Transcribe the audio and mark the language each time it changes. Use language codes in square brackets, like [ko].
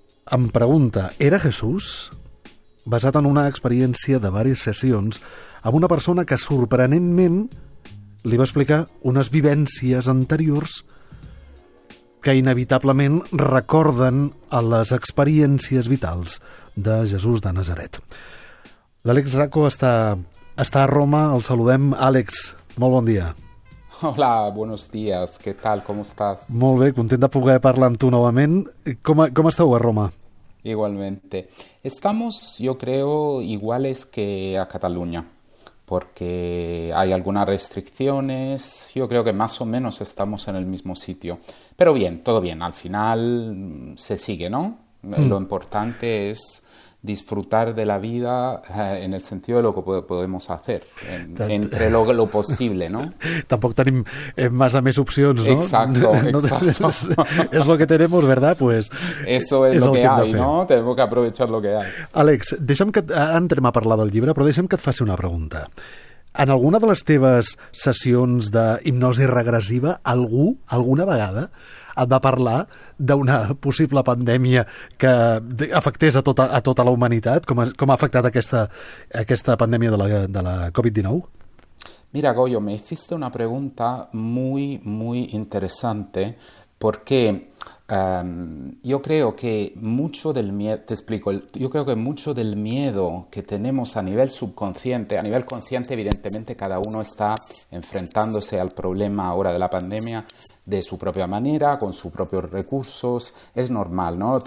[ca] Em pregunta, era Jesús? Basat en una experiència de diverses sessions amb una persona que sorprenentment li va explicar unes vivències anteriors que inevitablement recorden a les experiències vitals de Jesús de Nazaret. L'Àlex Enraco està a Roma, el saludem. Àlex, molt bon dia. [es] Hola, buenos días. ¿Qué tal? ¿Cómo estás? [ca] Molt bé, content de poder parlar amb tu novament. Com esteu a Roma? [es] Igualmente. Estamos, yo creo, iguales que a Cataluña, porque hay algunas restricciones. Yo creo que más o menos estamos en el mismo sitio. Pero bien, todo bien. Al final se sigue, ¿no? Lo importante es disfrutar de la vida en el sentido de lo que podemos hacer, entre lo posible, ¿no? [ca] Tampoc tenim más a més opcions, ¿no? [es] Exacto. Es lo que tenemos, ¿verdad? Pues eso es lo que hay, ¿no? Tenemos que aprovechar lo que hay. [ca] Àlex, deixa'm que entrem a parlar del llibre, però deixa'm que et faci una pregunta. En alguna de les teves sessions d'hipnosi regressiva, algú, alguna vegada, et va parlar d'una possible pandèmia que afectés a tota la humanitat? Com ha afectat aquesta pandèmia de la Covid-19? [es] Mira, Goyo, me hiciste una pregunta muy, muy interesante, porque yo creo que mucho del miedo, te explico, yo creo que mucho del miedo que tenemos a nivel subconsciente, a nivel consciente, evidentemente cada uno está enfrentándose al problema ahora de la pandemia de su propia manera, con sus propios recursos, es normal, ¿no?